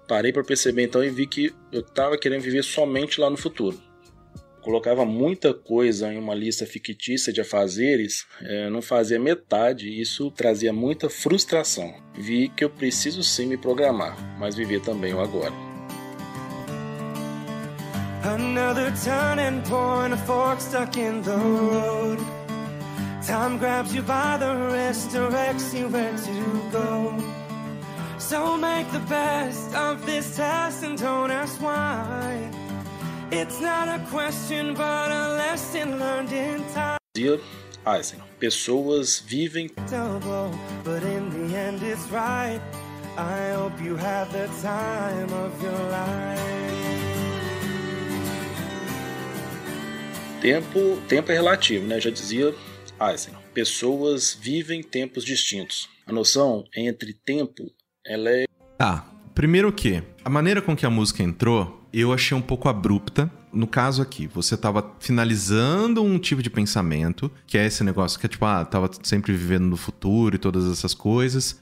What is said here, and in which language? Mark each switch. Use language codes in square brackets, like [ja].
[pt] Parei para perceber então e vi que eu estava querendo viver somente lá no futuro. Colocava muita coisa em uma lista fictícia de afazeres, não fazia metade, isso trazia muita frustração. Vi que eu preciso sim me programar, mas viver também o agora. [en] Another turning point, a fork stuck in the road. Time grabs you by the wrist, directs you where to go. So make the best of this test and don't ask why. It's not a question, but a lesson learned in time. Dear Eisen, [pt] pessoas vivem [en] double, but in the end it's right. I hope you have the time of your life. [pt] Tempo é relativo, né? Já dizia Eisen. Pessoas vivem tempos distintos. A noção entre tempo, ela é... Tá. Primeiro o quê? A maneira com que a música entrou, eu achei um pouco abrupta. No caso aqui, você tava finalizando um tipo de pensamento, que é esse negócio que é tipo, ah, tava sempre vivendo no futuro e todas essas coisas.